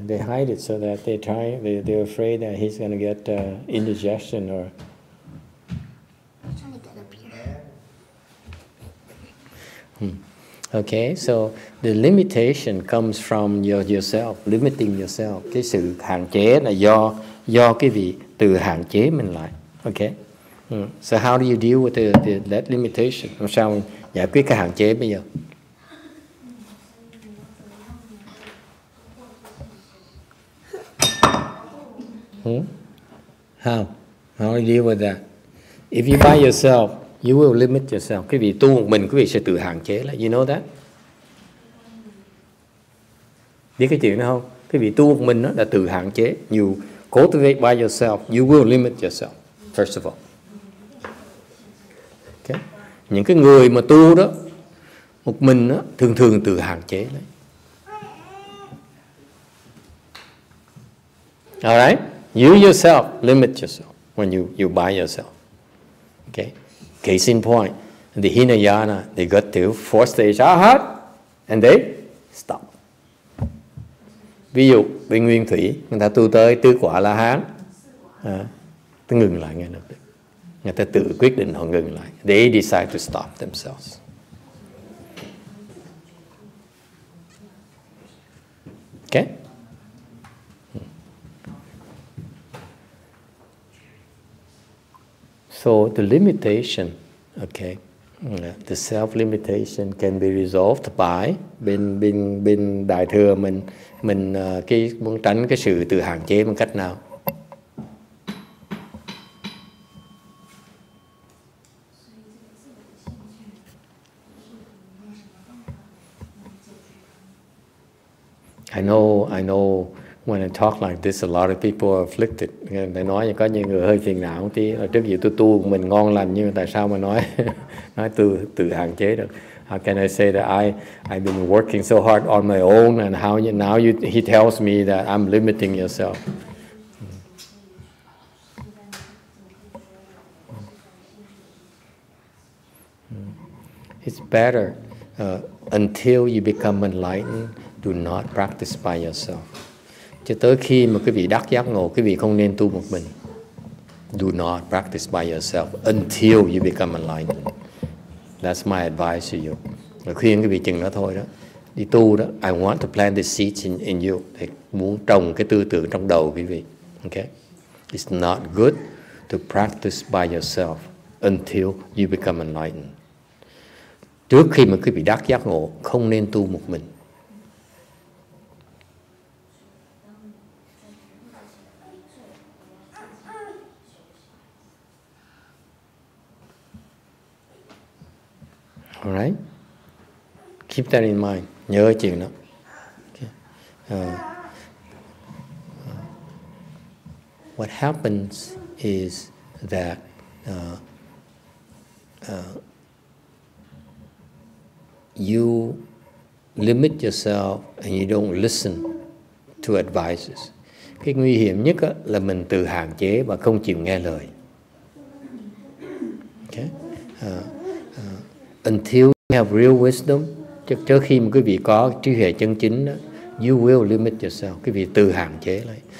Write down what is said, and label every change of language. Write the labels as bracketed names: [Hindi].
[English] They hide it so that they're afraid that he's going to get indigestion or... He's trying to get up here. Okay, so the limitation comes from yourself, limiting yourself. [Vietnamese] Cái sự hạn chế là do cái vị tự hạn chế mình lại. [English] Okay. So how do you deal with that limitation? [Vietnamese] Làm sao giải quyết cái hạn chế bây giờ? [English] How do you deal with that? If you by yourself, you will limit yourself. [Vietnamese] Quý vị tu một mình, quý vị sẽ tự hạn chế lại. [English] You know that? [Vietnamese] Biết cái chuyện đó không? Quý vị tu một mình đó là tự hạn chế. [English] You cultivate by yourself, you will limit yourself, first of all. [Vietnamese] Những cái người mà tu đó một mình đó, thường thường tự hạn chế đấy. [English] Alright, you yourself limit yourself. when you by yourself. Okay? Case in point, the Hinayana, they got to fourth stage Arhat, and they stop. [Vietnamese] Ví dụ, bên Nguyên Thủy, người ta tu tới tứ quả La Hán, ta ngừng lại ngay lập tức. Người ta tự quyết định họ ngừng lại. [English] They decide to stop themselves. Okay? So the limitation, okay, the self-limitation can be resolved by [Vietnamese] bên đại thừa mình cái muốn tránh cái sự tự hạn chế bằng cách nào? [English] I know. When I talk like this, a lot of people are afflicted. [Vietnamese] They nói có những người hơi phiền não một tí. Trước giờ tôi tu mình ngon lành nhưng tại sao mà nói tự hạn chế được? [English] How can I say that I've been working so hard on my own and how you, now you, he tells me that I'm limiting yourself? It's better until you become enlightened, do not practice by yourself. [Vietnamese] Cho tới khi mà quý vị đắc giác ngộ, quý vị không nên tu một mình. [English] Do not practice by yourself until you become enlightened. That's my advice to you. [Vietnamese] Và khuyên quý vị chừng đó thôi đó. Đi tu đó, [English] I want to plant the seeds in you. [Vietnamese] Để muốn trồng cái tư tưởng trong đầu quý vị. [English] Okay? It's not good to practice by yourself until you become enlightened. [Vietnamese] Trước khi mà quý vị đắc giác ngộ, không nên tu một mình. [English] All right. Keep that in mind. [Vietnamese] Nhớ chuyện đó. [English] What happens is that you limit yourself and you don't listen to advices. [Vietnamese] Cái nguy hiểm nhất là mình tự hạn chế và không chịu nghe lời. [English] Okay. Until you have real wisdom, [Vietnamese] trước khi mà quý vị có trí huệ chân chính, [English] you will limit yourself. [Vietnamese] Quý vị tự hạn chế lại.